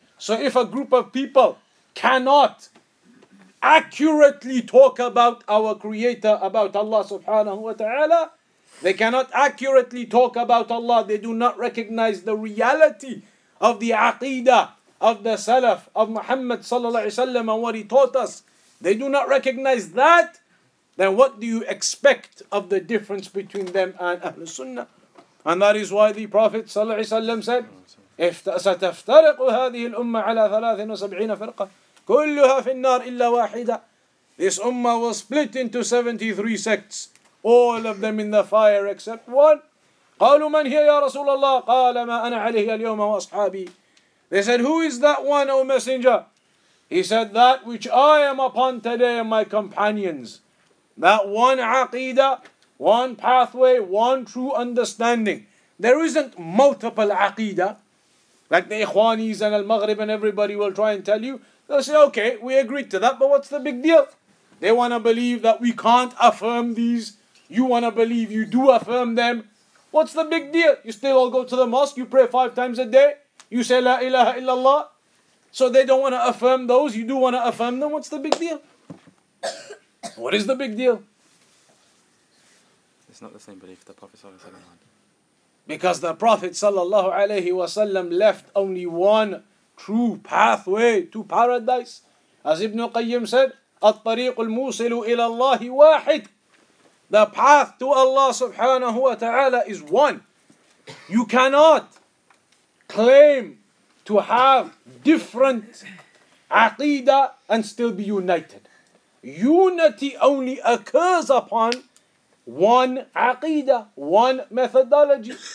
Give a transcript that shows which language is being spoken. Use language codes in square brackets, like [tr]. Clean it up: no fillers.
[en] So if a group of people cannot accurately talk about our Creator, about Allah subhanahu wa ta'ala, they cannot accurately talk about Allah, they do not recognize the reality of the aqidah of the Salaf, of Muhammad sallallahu alayhi wa sallam and what he taught us, they do not recognize that, then what do you expect of the difference between them and Ahl Sunnah? And that is why the Prophet sallallahu alayhi wa sallam said, [ar] سَتَفْتَرِقُ هَذِهِ الْأُمَّةِ عَلَى 73 فِرْقَةٍ كُلُّهَا فِي النَّارِ إِلَّا وَاحِدًا. [en] This ummah will split into 73 sects, all of them in the fire except one. [ar] قالوا من هي يا رسول الله قال ما أنا عليه اليوم وأصحابي. [en] They said, who is that one, O messenger? He said, that which I am upon today and my companions. That one aqidah, one pathway, one true understanding. There isn't multiple aqidah, like the Ikhwanis and al-Maghrib and everybody will try and tell you. They'll say, okay, we agreed to that, but what's the big deal? They want to believe that we can't affirm these. You want to believe you do affirm them. What's the big deal? You still all go to the mosque, you pray 5 times a day. You say, La ilaha illallah. So they don't want to affirm those. You do want to affirm them. What's the big deal? What is the big deal? It's not the same belief the Prophet ﷺ had. Because the Prophet ﷺ left only one true pathway to paradise. As Ibn Qayyim said, [ar] الطريق الموصل إلى الله واحد. [en] The path to Allah subhanahu wa ta'ala is one. You cannot claim to have different aqidah and still be united. Unity only occurs upon one aqidah, one methodology.